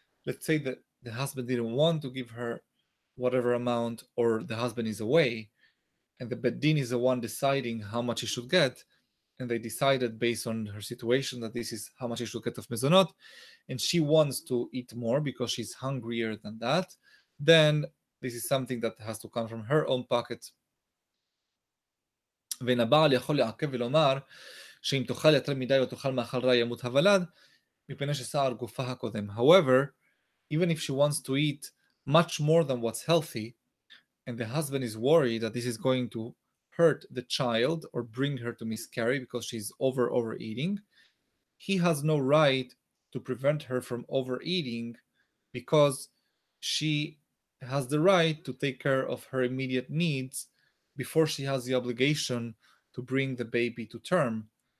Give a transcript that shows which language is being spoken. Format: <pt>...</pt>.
<en>Let's say that the husband didn't want to give her whatever amount, or the husband is away, and the bedin is the one deciding how much he should get, and they decided based on her situation that this is how much he should get of mezonot, and she wants to eat more because she's hungrier than that, then this is something that has to come from her own pocket.</en> <he>ואין הבעל יכול לעכב ולומר שאם תאכל יותר מדי או תאכל מאכל רע ימות הוולד, מפני שסער גופה הקודם.</he> <en>However, even if she wants to eat much more than what's healthy, and the husband is worried that this is going to hurt the child or bring her to miscarry because she's overeating, he has no right to prevent her from overeating because she has the right to take care of her immediate needs before she has the obligation to bring the baby to term.</en>